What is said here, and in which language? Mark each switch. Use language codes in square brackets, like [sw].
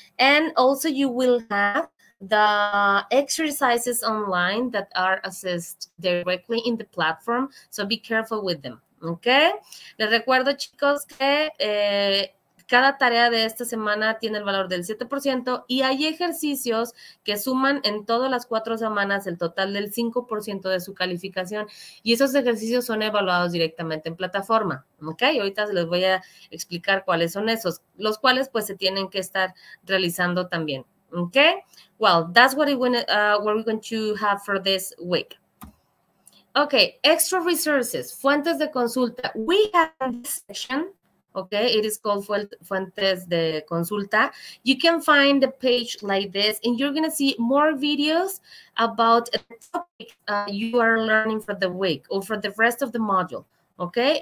[en] And also you will have the exercises online that are assessed directly in the platform, so be careful with them, okay? [es] Les recuerdo, chicos, que cada tarea de esta semana tiene el valor del 7% y hay ejercicios que suman en todas las 4 semanas el total del 5% de su calificación, y esos ejercicios son evaluados directamente en plataforma, ¿ok? Ahorita les voy a explicar cuáles son esos, los cuales pues se tienen que estar realizando también, [en] Okay, well, that's what we're going to have for this week. Okay, extra resources, [es] fuentes de consulta. [en] We have this section, okay? It is called [es] fuentes de consulta. [en] You can find the page like this, and you're going to see more videos about a topic you are learning for the week or for the rest of the module, okay?